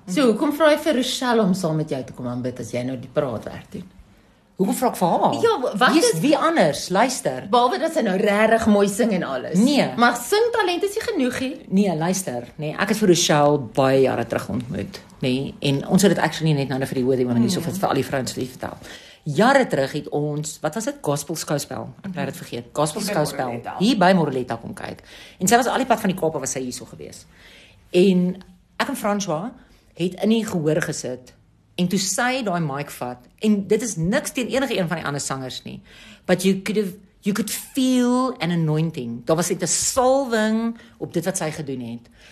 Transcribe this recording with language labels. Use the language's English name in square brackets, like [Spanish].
[Afrikaans] So hoekom vra jy vir Rochelle om saam met jou te kom aanbid as jy nou die praat werk doen? Hoekom vra ek vir haar? Ja, wat is wie anders? Luister. Behalwe dat sy nou regtig mooi sing en alles. Nee. Maar singtalent is nie genoeg nie. Nee, luister. Nee, ek het vir Rochelle baie jare terug ontmoet. Nee, en ons het dit actually net nou vir die Worthy Woman hierof vir al die vrouens vir die vertel. Jare terug het ons, wat was dit? Gospel skouspel. Ek het dit vergeet. Gospel skouspel. Hier by Moreleta kom kyk. En sy was al die pad van die Kaap was sy hierso gewees. En ek en François het in die gehoor gesit. En toe sy daai mic vat en dit is niks teen enige een van die ander sangers nie. [English] But you could feel an anointing. [Afrikaans] Daar was net 'n salwing op dit wat sy gedoen het.